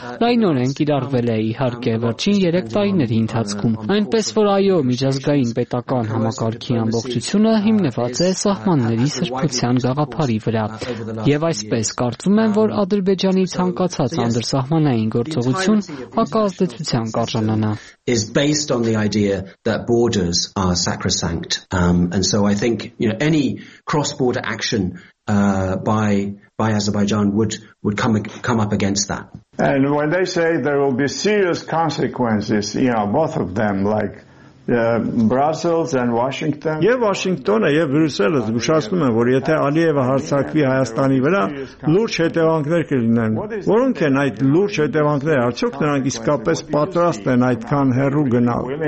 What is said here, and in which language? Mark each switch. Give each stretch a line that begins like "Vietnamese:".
Armenian: լայնորեն կիրառվել է իհարկե վերջին 3 տարիների ընթացքում։ Այնպես որ այո, միջազգային պետական համակարգի ողջությունը հիմնված է սահմանների սրբության գաղափարի վրա, եւ այսպես կարծում եմ, որ Ադրբեջանի ցանկացած անդրսահմանային գործողություն ակազդեցության կարժանանա։
English: Is based on the idea that borders are sacrosanct, and so I think, you know, any cross-border action by Azerbaijan would come up against that. And when they say there will be serious consequences, you know, both of them, like Brussels and Washington.
Armenian: Եվ Վաշինգտոնը եւ Բրյուսելը զգուշացնում են, որ եթե Ալիևը հարձակվի Հայաստանի վրա, լուրջ հետևանքներ կլինեն։ Որոնք են այդ լուրջ հետևանքները, արդյոք նրանք իսկապես պատրաստ են այդքան հեռու գնալ?